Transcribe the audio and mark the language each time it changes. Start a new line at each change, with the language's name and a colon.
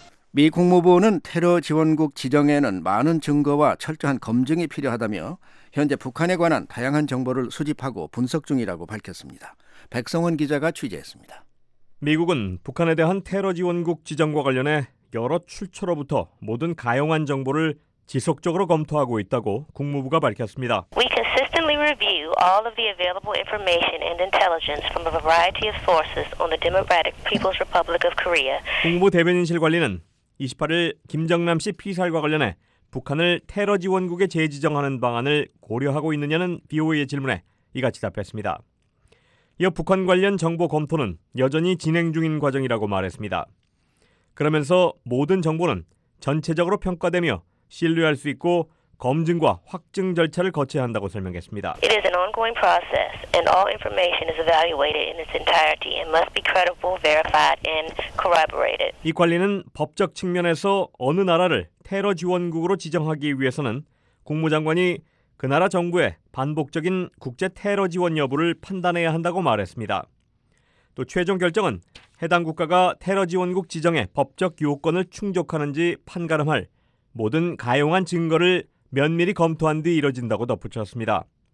Korean: 미 국무부는 테러 지원국 지정에는 많은 증거와 철저한 검증이 필요하다며 현재 북한에 관한 다양한 정보를 수집하고 분석 중이라고 밝혔습니다. 백성원 기자가 취재했습니다. 미국은 북한에 대한 테러 지원국 지정과 관련해 여러 출처로부터 모든 가용한 정보를 지속적으로 검토하고 있다고 국무부가 밝혔습니다.
English: We consistently carefully review all of the available information and intelligence from a variety of sources on the Democratic People's Republic of Korea.
Korean: 홍보 대변인실 관리는 28일 김정남 씨 피살과 관련해 북한을 테러 지원국에 재지정하는 방안을 고려하고 있느냐는 BOA의 질문에 이같이 답했습니다. 이어 북한 관련 정보 검토는 여전히 진행 중인 과정이라고 말했습니다. 그러면서 모든 정보는 전체적으로 평가되며 신뢰할 수 있고 검증과 확증 절차를 거쳐야 한다고 설명했습니다.
English: It is an ongoing process and all information is evaluated in its entirety and must be credible, verified and corroborated.
Korean: 이 관리는 법적 측면에서 어느 나라를 테러 지원국으로 지정하기 위해서는 국무장관이 그 나라 정부의 반복적인 국제 테러 지원 여부를 판단해야 한다고 말했습니다. 또 최종 결정은 해당 국가가 테러 지원국 지정의 법적 요건을 충족하는지 판가름할 모든 가용한 증거를 면밀히 검토한 뒤 이뤄진다고 덧붙였습니다.